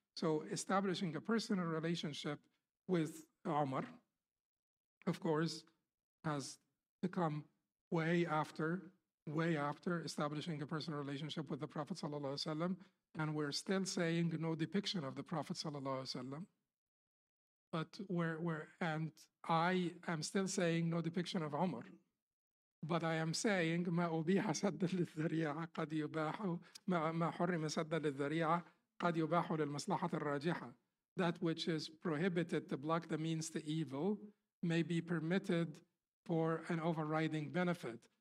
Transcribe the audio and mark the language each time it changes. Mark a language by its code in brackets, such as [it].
[en] So establishing a personal relationship with Umar, of course, has to come way after establishing a personal relationship with the Prophet sallallahu alaihi wasallam, and we're still saying no depiction of the Prophet sallallahu alaihi wasallam. But and I am still saying no depiction of Umar. But I am saying [ar] ما أبيح سد للذريعة قد يباح ما حرم سد للذريعة قد يباح للمصلحة الراجحة. [en] That which is prohibited to block the means to evil may be permitted for an overriding benefit.